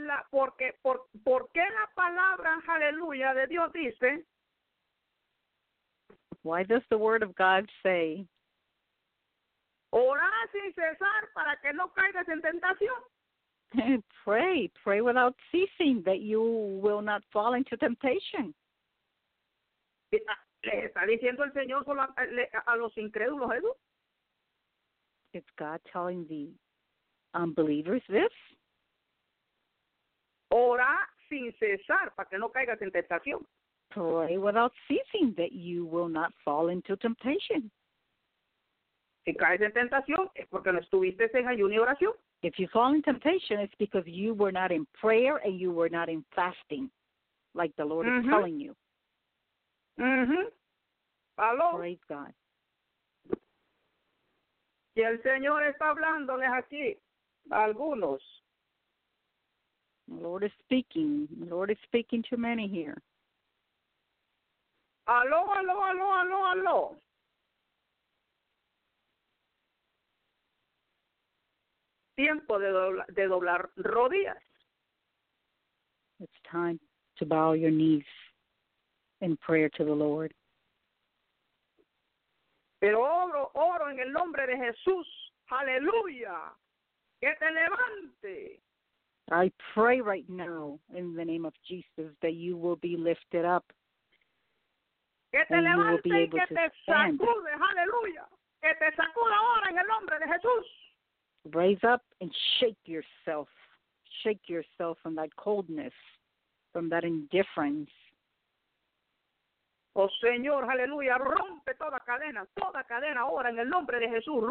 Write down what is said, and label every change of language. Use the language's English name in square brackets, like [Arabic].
[Spanish] ¿Por qué la palabra, aleluya, de Dios dice? [English] Why does the word of God say, [Spanish] orá sin cesar para que no caigas en tentación? [English] Pray without ceasing that you will not fall into temptation. [Spanish] ¿Le está diciendo el Señor solo a los incrédulos eso? [English] Is God telling the unbelievers this? [Spanish] Orá sin cesar para que no caigas en tentación. [English] Pray without ceasing that you will not fall into temptation. [Spanish] Si caes en tentación, es porque no estuviste en ayuno y oración. [English] If you fall in temptation, it's because you were not in prayer and you were not in fasting, like the Lord mm-hmm. is telling you. Mm-hmm. Hello. Praise God. [Spanish] Si el Señor está hablándoles aquí, a algunos. [English] The Lord is speaking. The Lord is speaking to many here. [Spanish] Aló, aló, aló, aló, aló. Tiempo de doblar rodillas. [English] It's time to bow your knees in prayer to the Lord. [Spanish] Pero oro, oro en el nombre de Jesús. Aleluya. Que te levante. [English] I pray right now in the name of Jesus that you will be lifted up. [Spanish] Que te levante y que te sacude, aleluya. Que te sacude ahora en el nombre de Jesús. [English] Raise up and shake yourself. Shake yourself from that coldness, from that indifference. [Spanish] Oh, Señor, aleluya, rompe toda cadena ahora en el nombre de Jesús.